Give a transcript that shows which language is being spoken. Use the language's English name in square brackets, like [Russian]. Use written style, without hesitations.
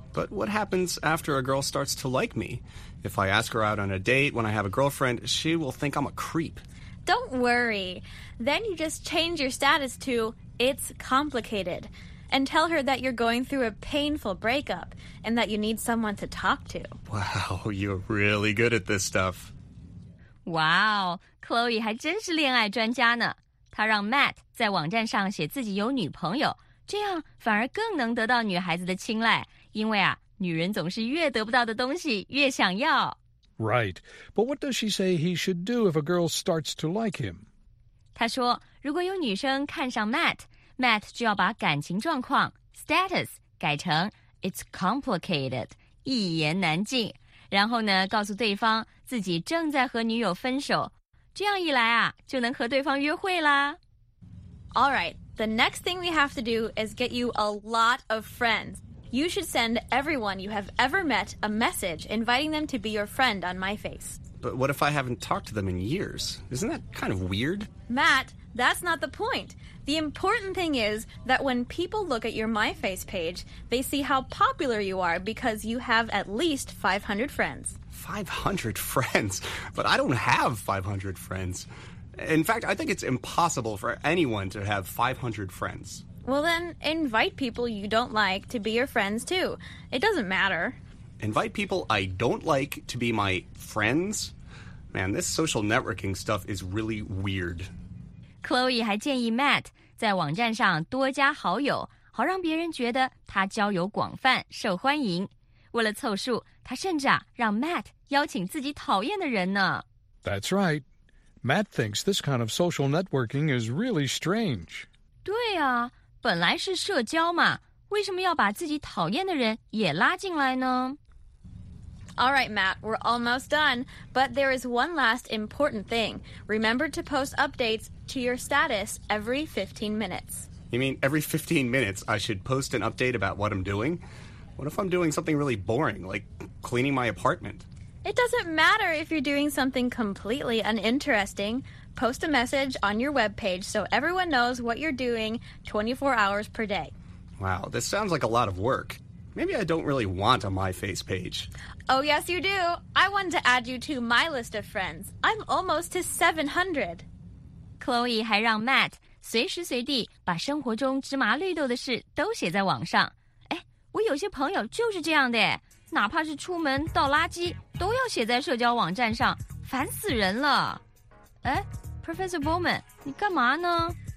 [English] But what happens after a girl starts to like me? If I ask her out on a date when I have a girlfriend, she will think I'm a creep. Don't worry. Then you just change your status to, it's complicated. And tell her that you're going through a painful breakup and that you need someone to talk to. Wow, you're really good at this stuff. [Chinese] Wow, Chloe 还真是恋爱专家呢。她让 Matt 在网站上写自己有女朋友，这样反而更能得到女孩子的青睐，因为啊，女人总是越得不到的东西越想要。 [English] Right, but what does she say he should do if a girl starts to like him? [Chinese] 她说，如果有女生看上 Matt,Matt 就要把感情状况 status 改成 [English] it's complicated [Chinese] 一言难尽，然后呢告诉对方自己正在和女友分手，这样一来啊就能和对方约会啦。 [English] All right, the next thing we have to do is get you a lot of friends. You should send everyone you have ever met a message inviting them to be your friend on MyFace. But what if I haven't talked to them in years? Isn't that kind of weird? Matt, that's not the point. The important thing is that when people look at your MyFace page, they see how popular you are because you have at least 500 friends. 500 friends? But I don't have 500 friends. In fact, I think it's impossible for anyone to have 500 friends. Well then, invite people you don't like to be your friends too. It doesn't matter. Invite people I don't like to be my friends? Man, this social networking stuff is really weird. [Chinese] Chloe 还建议 Matt 在网站上多加好友，好让别人觉得他交友广泛受欢迎。为了凑数，他甚至啊让 Matt 邀请自己讨厌的人呢。 [English] That's right. Matt thinks this kind of social networking is really strange. [Chinese] 对啊，本来是社交嘛，为什么要把自己讨厌的人也拉进来呢？ [English] All right, Matt, we're almost done. But there is one last important thing. Remember to post updates to your status every 15 minutes. You mean every 15 minutes I should post an update about what I'm doing? What if I'm doing something really boring, like cleaning my apartment? It doesn't matter if you're doing something completely uninteresting. Post a message on your webpage so everyone knows what you're doing 24 hours per day. Wow, this sounds like a lot of work. Maybe I don't really want a MyFace page. Oh, yes, you do. I wanted to add you to my list of friends. I'm almost to 700. [Chinese] Chloe 还让 Matt 随时随地把生活中芝麻绿豆的事都写在网上。哎，我有些朋友就是这样的，哪怕是出门倒垃圾都要写在社交网站上，烦死人了。哎 ,Professor Bowman, 你干嘛呢？